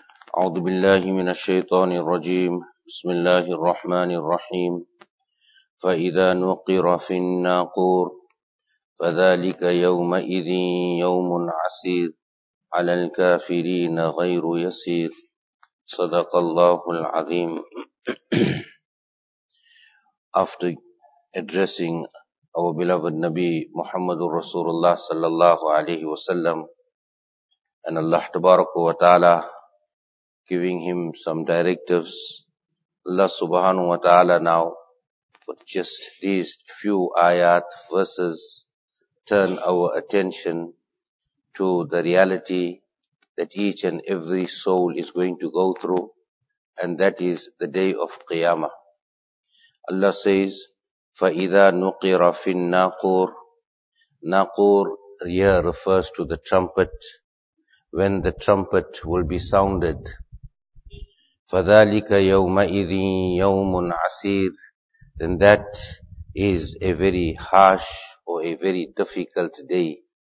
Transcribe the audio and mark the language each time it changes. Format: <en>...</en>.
<ar>أعوذ بالله من الشيطان الرجيم بسم الله الرحمن الرحيم فإذا نقر في الناقور فذلك يومئذ يوم عسير على الكافرين غير يسير صدق الله العظيم.</ar> <en>After addressing our beloved Nabi Muhammad Rasulullah sallallahu alayhi wa sallam and Allah tabaraka wa ta'ala giving him some directives, Allah subhanahu wa ta'ala now with just these few ayat verses turn our attention to the reality that each and every soul is going to go through, and that is the day of Qiyamah. Allah says,</en> <ar>فَإِذَا نُقِرَ فِي النَّاقُورِ.</ar> <en>Naqur here refers to the trumpet, when the trumpet will be sounded.</en> <ar>فَذَلِكَ يَوْمَئِذٍ يَوْمٌ عَسِيرٌ.</ar> <en>Then that is a very harsh or a very difficult day.</en>